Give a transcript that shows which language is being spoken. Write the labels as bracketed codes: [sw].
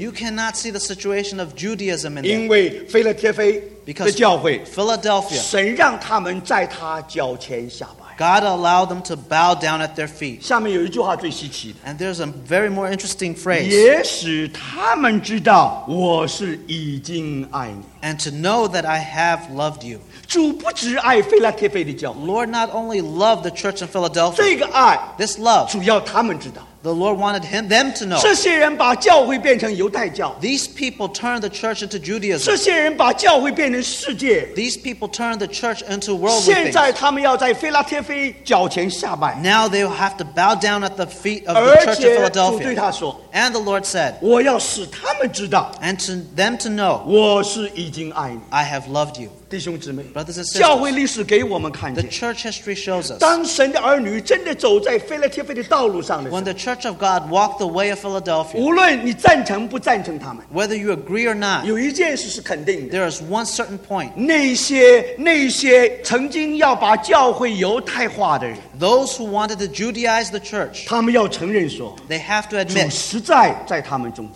[en] You cannot see the situation of Judaism in them. [zh] 因为腓拉帖菲的教会， [en] Philadelphia, [zh] 神让他们在他脚前下拜。 [en] God allowed them to bow down at their feet. [zh] 下面有一句话最稀奇的。 [en] And there's a very more interesting phrase. [zh] 也许他们知道我是已经爱你。 [en] And to know that I have loved you. [zh] 主不只爱腓拉帖菲的教会。 [en] Lord not only loved the church in Philadelphia. [zh] 这个爱。 [en] This love. [zh] 主要他们知道。 [en] The Lord wanted them to know. [zh] 这些人把教会变成犹太教。 [en] These people turned the church into Judaism. [zh] 这些人把教会变成世界。 [en] These people turned the church into worldly [zh] 现在他们要在腓拉帖菲脚前下拜。 [en] Now they will have to bow down at the feet of the church of Philadelphia. [zh] 而且主对他说。 [en] And the Lord said, [zh] 我要使他们知道。 [en] And to them to know, [zh] 我是已经爱你。 [en] I have loved you. [zh] 弟兄姊妹 [en] Brothers and sisters, [zh] 教会历史给我们看见 [en] The church history shows us [zh] 当神的儿女真的走在腓拉帖菲的道路上的时候 [en] When the church of God walked the way of Philadelphia [zh] 无论你赞成不赞成他们 [en] Whether you agree or not [zh] 有一件事是肯定的 [en] There is one certain point [zh] 那些曾经要把教会犹太化的人 [en] Those who wanted to Judaize the church [zh] 他们要承认说 [en] They have to admit [zh] 主实在在他们中间